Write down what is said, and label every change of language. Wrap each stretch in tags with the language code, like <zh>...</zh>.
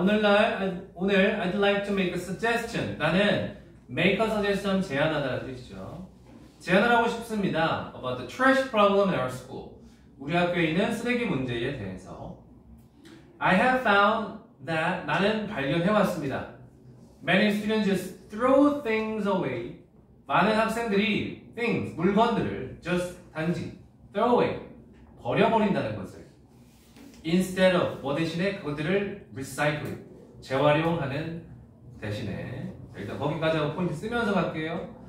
<en>오늘 I'd like to make a suggestion.</en> <ko>나는 make a suggestion 제안하다라는 뜻이죠. 제안을 하고 싶습니다.</ko> <en>About the trash problem in our school.</en> <ko>우리 학교에 있는 쓰레기 문제에 대해서.</ko> <en>I have found that</en> <ko>나는 발견해왔습니다.</ko> <en>Many students just throw things away.</en> <ko>많은 학생들이 things, 물건들을 just 단지 throw away, 버려버린다는 것을. Instead of, 뭐 대신에 그것들을 recycling, 재활용하는 대신에 일단 거기까지 한번 포인트 쓰면서 갈게요.</ko>